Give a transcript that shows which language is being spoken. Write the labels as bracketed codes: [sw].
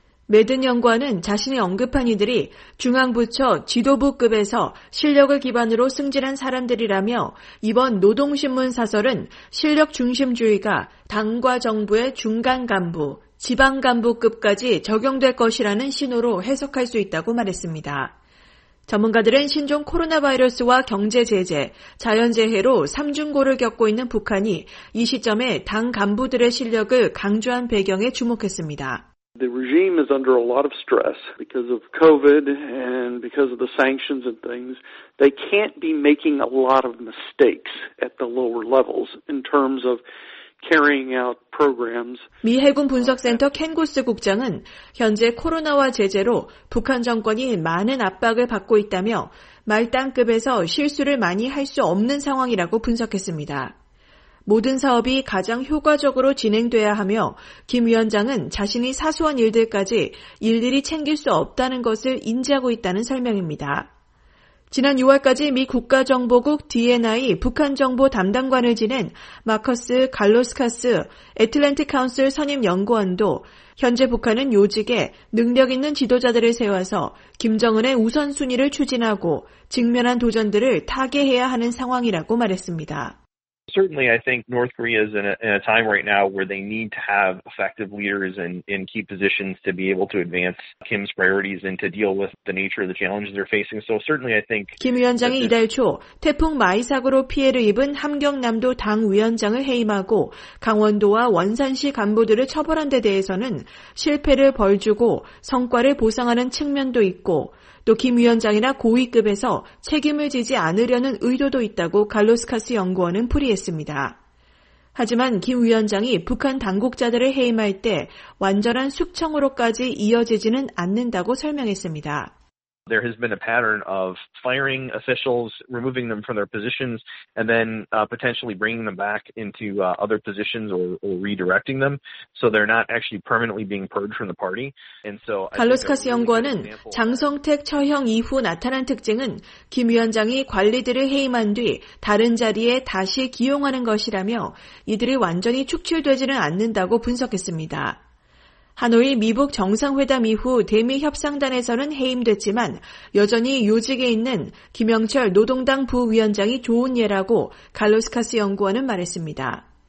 [ko] 매든 연구원은 자신이 언급한 이들이 중앙부처 지도부급에서 실력을 기반으로 승진한 사람들이라며 이번 노동신문 사설은 실력 중심주의가 당과 정부의 중간 간부, 지방 간부급까지 적용될 것이라는 신호로 해석할 수 있다고 말했습니다. 전문가들은 신종 코로나 바이러스와 경제 제재, 자연재해로 삼중고를 겪고 있는 북한이 이 시점에 당 간부들의 실력을 강조한 배경에 주목했습니다. [en] The regime is under a lot of stress because of COVID and because of the sanctions and things. They can't be making a lot of mistakes at the lower levels in terms of carrying out programs. [ko] 미 해군 분석센터 켄구스 국장은 현재 코로나와 제재로 북한 정권이 많은 압박을 받고 있다며 말단급에서 실수를 많이 할 수 없는 상황이라고 분석했습니다. 모든 사업이 가장 효과적으로 진행돼야 하며 김 위원장은 자신이 사소한 일들까지 일일이 챙길 수 없다는 것을 인지하고 있다는 설명입니다. 지난 6월까지 미 국가정보국 DNI 북한정보 담당관을 지낸 마커스 갈로스카스 애틀랜틱 카운슬 선임 연구원도 현재 북한은 요직에 능력 있는 지도자들을 세워서 김정은의 우선순위를 추진하고 직면한 도전들을 타개해야 하는 상황이라고 말했습니다. [en] Certainly, I think North Korea is in a time right now where they need to have effective leaders in key positions to be able to advance Kim's priorities and to deal with the nature of the challenges they're facing. So certainly, I think [ko] 김 위원장이 이달 초 태풍 마이 사고로 피해를 입은 함경남도 당 위원장을 해임하고 강원도와 원산시 간부들을 처벌한 데 대해서는 실패를 벌주고 성과를 보상하는 측면도 있고 또 김 위원장이나 고위급에서 책임을 지지 않으려는 의도도 있다고 갈로스카스 연구원은 풀이했습니다. 하지만 김 위원장이 북한 당국자들을 해임할 때 완전한 숙청으로까지 이어지지는 않는다고 설명했습니다. [en] There has been a pattern of firing officials, removing them from their positions, and then potentially bringing them back into other positions or redirecting them. So they're not actually permanently being purged from the party. And so [ko] 갈로스카스 연구원은 장성택 처형 이후 나타난 특징은 김 위원장이 관리들을 해임한 뒤 다른 자리에 다시 기용하는 것이라며 이들이 완전히 축출되지는 않는다고 분석했습니다. 하노이 미북 정상회담 이후 대미 협상단에서는 해임됐지만 여전히 요직에 있는 김영철 노동당 부위원장이 좋은 예라고 갈로스카스 연구원은 말했습니다.